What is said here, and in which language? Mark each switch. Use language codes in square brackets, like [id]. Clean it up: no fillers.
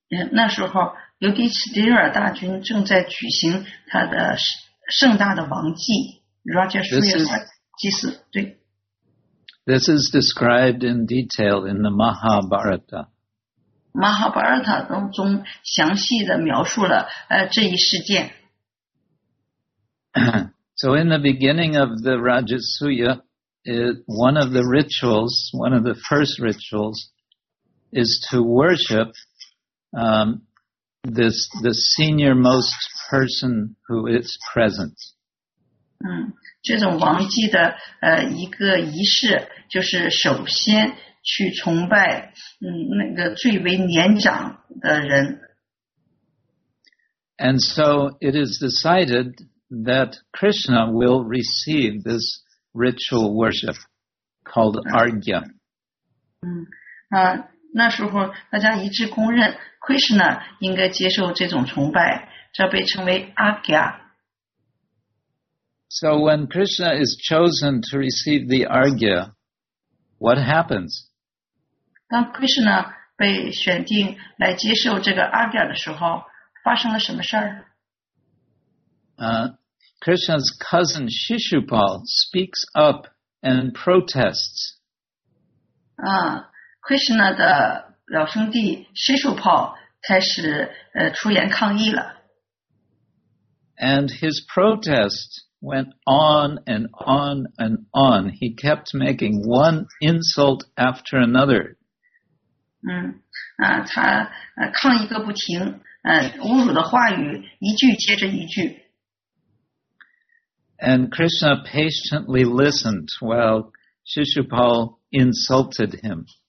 [zh] 那时候尤迪斯提尔大君正在举行他的盛大的王祭 Rajasuya 祭祀。对。 [en] This is described in detail in the Mahabharata. [zh] Mahabharata 中详细的描述了这一事件。 [en] So in the beginning of the Rajasuya,one of the rituals, one of the first rituals, is to worship the senior most person who is present. [zh] 这种王祭的一个仪式就是首先去崇拜那个最为年长的人。 [en] And so it is decided that Krishna will receive this. Ritual worship called Argya. [zh] 那时候大家一致公认 Krishna 应该接受这种崇拜，这被称为 Argya. [en] So when Krishna is chosen to receive the Argya, what happens? [zh] 当 Krishna 被选定来接受这个 Argya 的时候，发生了什么事儿？ [en] Krishna's cousin Shishupal speaks up and protests. [zh] Krishna 的表兄弟 Shishupal 开始出言抗议了。 [en] And his protest went on and on and on. He kept making one insult after another. [zh] 他抗议个不停，侮辱的话语一句接着一句。 [en] And Krishna patiently listened while Shishupal insulted him.